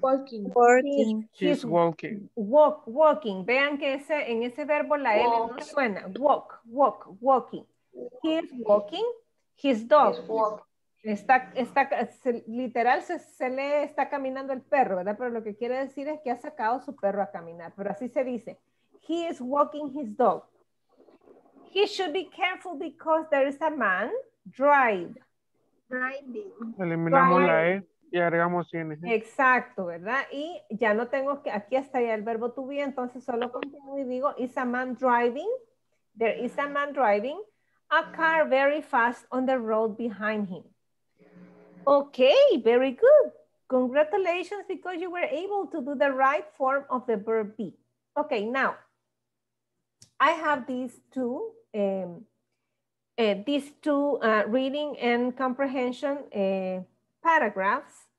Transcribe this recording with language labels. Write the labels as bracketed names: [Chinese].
[Spanish] Vean que ese, en ese verbo la L no suena. [English] Walking. He is walking. His dog. [Spanish] Está caminando el perro, ¿verdad? Pero lo que quiere decir es que ha sacado su perro a caminar. Pero así se dice. [English] He is walking his dog. He should be careful because there is a man. Driving. [Spanish] Eliminamos la E y agregamos N. Exacto, ¿verdad? Y ya no tengo que, aquí está ya el verbo to be, entonces solo continúo y digo, [English] is a man driving. There is a man driving a car very fast on the road behind him. Okay, very good. Congratulations because you were able to do the right form of the verb be. Okay, now, I have these two, reading and comprehension paragraphs.